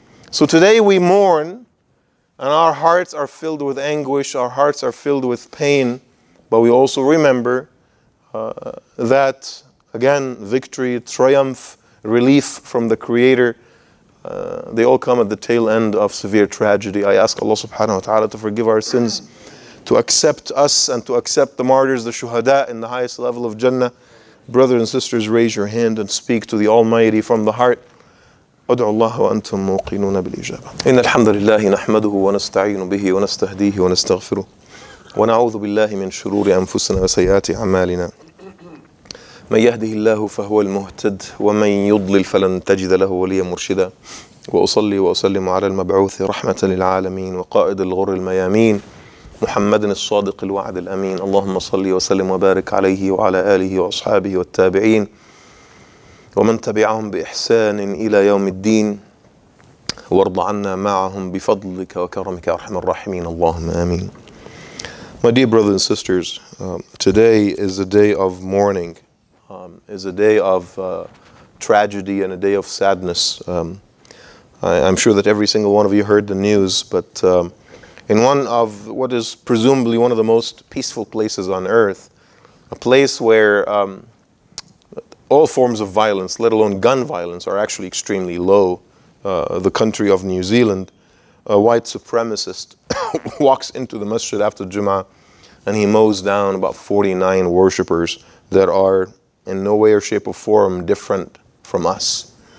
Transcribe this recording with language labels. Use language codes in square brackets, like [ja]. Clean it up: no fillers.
[en] So today we mourn, and our hearts are filled with anguish, our hearts are filled with pain, but we also remember that, again, victory, triumph, relief from the Creator, they all come at the tail end of severe tragedy. I ask Allah subhanahu wa ta'ala to forgive our sins, to accept us and to accept the martyrs, the shuhada, in the highest level of Jannah. Brothers and sisters, raise your hand and speak to the Almighty from the heart. [ar] أدعو الله وأنتم موقنون بالإجابة. إن الحمد لله نحمده ونستعين به ونستهديه ونستغفره ونعوذ بالله من شرور أنفسنا وسيئات أعمالنا. من يهده الله فهو المهتد ومن يضلل فلن تجد له وليا مرشدا وأصلي وأسلم على المبعوث رحمة للعالمين وقائد الغر الميامين محمد الصادق الوعد الأمين اللهم صلي وسلم وبارك عليه وعلى آله وأصحابه والتابعين ومن تبعهم بإحسان إلى يوم الدين وارض عنا معهم بفضلك وكرمك أرحم الراحمين اللهم آمين. [en] My dear brothers and sisters, today is a day of mourning. Is a day of tragedy and a day of sadness. I'm sure that every single one of you heard the news, but in one of what is presumably one of the most peaceful places on earth, a place where all forms of violence, let alone gun violence, are actually extremely low, the country of New Zealand, a white supremacist walks into the masjid after Jummah and he mows down about 49 worshippers that are in no way or shape or form different from us.